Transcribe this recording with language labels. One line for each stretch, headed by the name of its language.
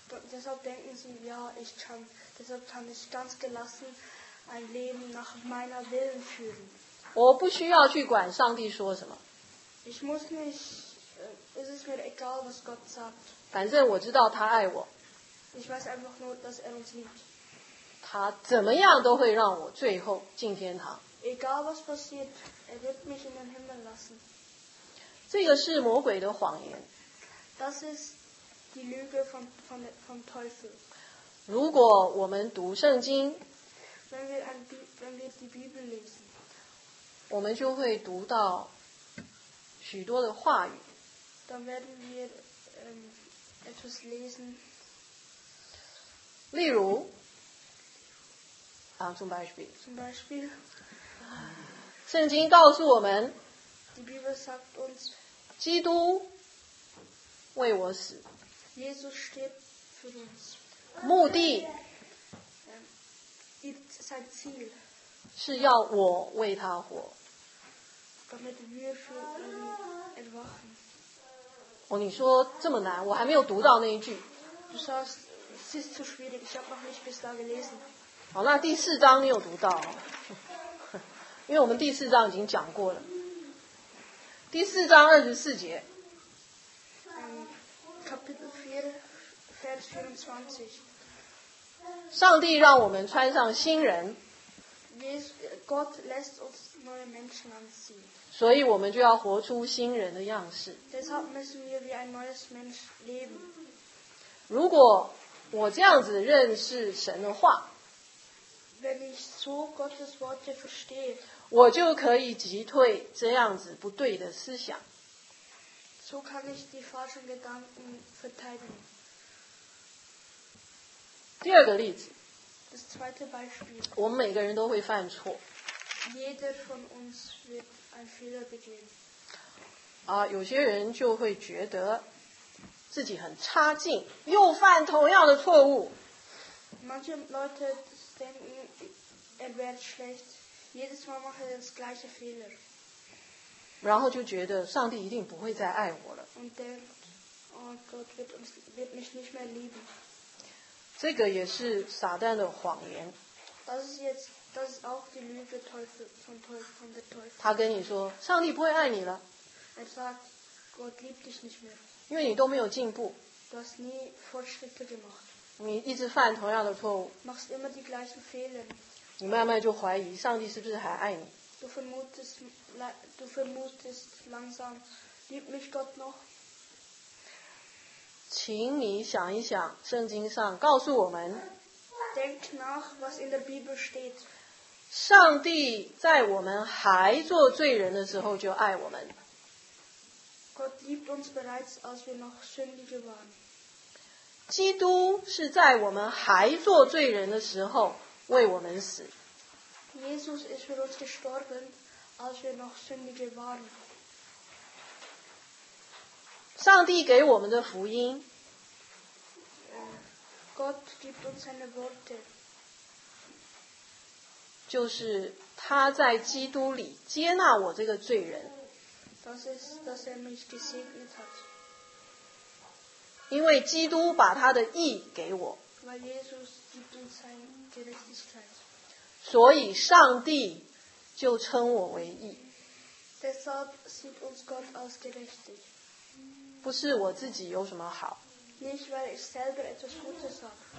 German: Deshalb denken sie, ja, ich kann, deshalb kann ich ganz gelassen ein Leben nach meiner Willen führen.
Chinese: 我不需要去管上帝说什么。
German: Ich muss nicht, es ist mir egal, was Gott sagt.
Chinese: 反正我知道他爱我。
German: Ich weiß einfach nur, dass er uns liebt.
Chinese: 他怎么样都会让我最后进天堂。
German: Egal was passiert, er wird mich in den Himmel lassen.
Chinese: 这个是魔鬼的谎言。
German: Das ist die Lüge vom Teufel.
Chinese: 如果我们读圣经，
German: Wenn wir die Bibel lesen,
Chinese: 我们就会读到许多的话语。
German: Dann werden wir etwas lesen.
Chinese: 例如，啊 ，
German: zum Beispiel. Zum Beispiel.
Chinese: 圣经告诉我们，
German: Die Bibel sagt uns,
Chinese: 基督为我死。
German: Jesus stirbt für uns.
Chinese: 目的，
German: ist sein Ziel.
Chinese: 是要我为他活。
German: Damit wir für ihn erwachen.
Chinese: 哦，你说这么难，我还没有读到那一句。
German: Du sagst, es ist zu schwierig, ich habe noch nicht bis da gelesen.
Chinese: 好，那第四章你有读到，因为我们第四章已经讲过了。第四章二十四节。
German: Kapitel 4, Vers 24.
Chinese: 上帝让我们穿上新人。
German: Yes, Gott lässt uns neue Menschen anziehen.
Chinese: 所以我们就要活出新人的样式。
German: Deshalb müssen wir wie ein neues Mensch leben.
Chinese: 如果我这样子认识神的话，
German: Wenn ich so Gottes Worte verstehe,
Chinese: 我就可以击退这样子不对的思想。
German: So kann ich die falschen Gedanken verteidigen.
Chinese: 第二个例子。
German: Das zweite Beispiel.
Chinese: 我们每个人都会犯错。
German: Jeder von uns wird einen Fehler begehen.
Chinese: 啊，有些人就会觉得自己很差劲，又犯同样的错误。
German: Manche Leute denken, er wird schlecht. Jedes Mal machen wir das gleiche Fehler.
Chinese: 然后就觉得上帝一定不会再爱我了。
German: Und denkt, oh Gott wird mich nicht mehr lieben.
Chinese: 这个也是撒旦的谎言。
German: Das ist jetzt Das ist auch die Lüge vom Teufel.
Chinese: 他跟你说，上帝不会爱你了。
German: Er sagt, Gott liebt dich nicht mehr.
Chinese: 因为你都没有进步。
German: Du hast nie Fortschritte gemacht.
Chinese: 你一直犯同样的错误。
German: Machst immer die gleichen Fehler.
Chinese: 你慢慢就怀疑上帝是不是还爱你。
German: Du vermutest langsam, liebt mich Gott noch?
Chinese: 请你想一想，圣经上告诉我们。
German: Denkt nach, was in der Bibel steht.
Chinese: 上帝在我们还做罪人的时候就爱我们。
German: Gott liebt uns bereits, als wir noch Sündige waren.
Chinese: 基督是在我们还做罪人的时候为我们死。
German: Jesus ist für uns gestorben, als wir noch Sündige waren.
Chinese: 上帝给我们的福音
German: Gott gibt uns seine Worte.
Chinese: 就是他在基督里接纳我这个罪人
German: Das ist, dass er mich gesegnet hat.
Chinese: 因为基督把他的义给我
German: Weil Jesus gibt uns seine Gerechtigkeit.
Chinese: 所以上帝就称我为义
German: Deshalb sieht uns Gott als gerechtig.
Chinese: 不是我自己有什么好。
German: Nicht, weil ich selber etwas Gutes habe.